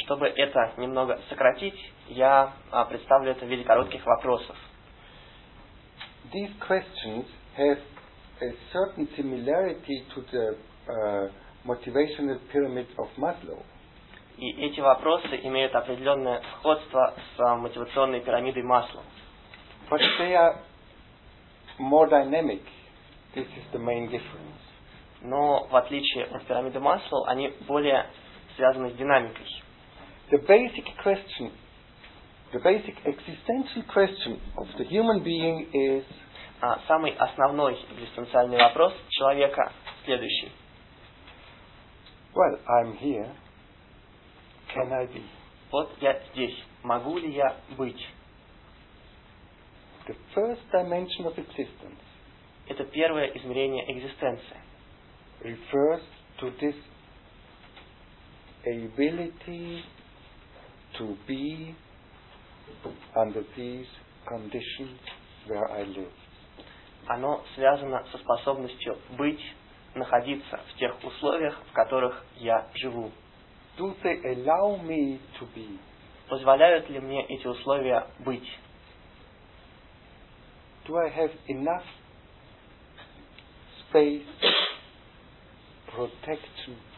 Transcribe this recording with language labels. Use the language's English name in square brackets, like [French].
[Russian] Чтобы это немного сократить, я представлю это в виде коротких вопросов. [English] These questions have a certain similarity to the motivational pyramid of Maslow. [Russian] И эти вопросы имеют определенное сходство с мотивационной пирамидой Масло. [English] But they are more dynamic. This is the main difference. [Russian] Но в отличие от пирамиды Масло, они более связаны с динамикой. [English] The basic existential question of the human being is. [Russian] Самый основной экзистенциальный вопрос человека следующий. [English] Well, I'm here. Can I be? [Russian] Вот я здесь. Могу ли я быть? [English] The first dimension of existence. [Russian] Это первое измерение экзистенции. [English] Refers to this ability to be under these conditions where I live. [Russian] Оно связано со способностью быть, находиться в тех условиях, в которых я живу. [English] Do they allow me to be? [Russian] Позволяют ли мне эти условия быть? [English] Do I have enough space, protection?